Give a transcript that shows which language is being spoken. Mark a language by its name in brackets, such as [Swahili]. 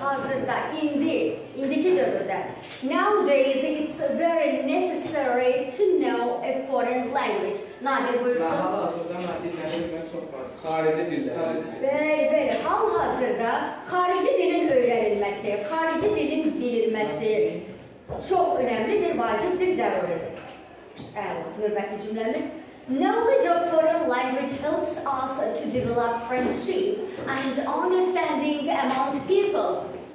[Azerbaijani] Hazırda, indi, indiki dövrdə. [English] Nowadays, it's very necessary to know a foreign language. [Azerbaijani] Nadir, buyursun. Hal-hazırda maddi dillərin çox var. Xarici dillər. Bəli, hal-hazırda xarici dilin öyrənilməsi, xarici dilin bilinməsi çox önəmlidir, vacibdir, zəruridir. Növbəti cümləmiz. [English] Knowledge of foreign language helps us to develop friendship and understanding among people.